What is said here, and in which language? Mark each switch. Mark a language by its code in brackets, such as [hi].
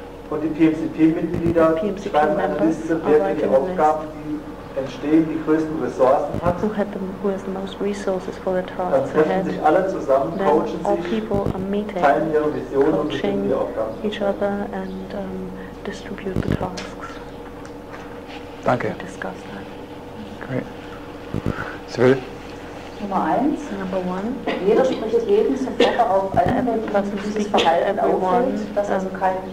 [de] Und die PMCP-Mitglieder schreiben eine Liste, wer für die Aufgaben, die entstehen, die größten Ressourcen hat. [en] Who has the most resources for the task. [de] Dann treffen sich alle zusammen, coachen [en] all [de] sich, teilen ihre Visionen und bestimmen die Aufgaben. [en] Each other and distribute the tasks. [de] Danke. [en] Discuss that. Great. [de] Nummer 1. Jeder spricht jeden sofort darauf an, wenn ihm dieses Verhalten auffällt, dass also kein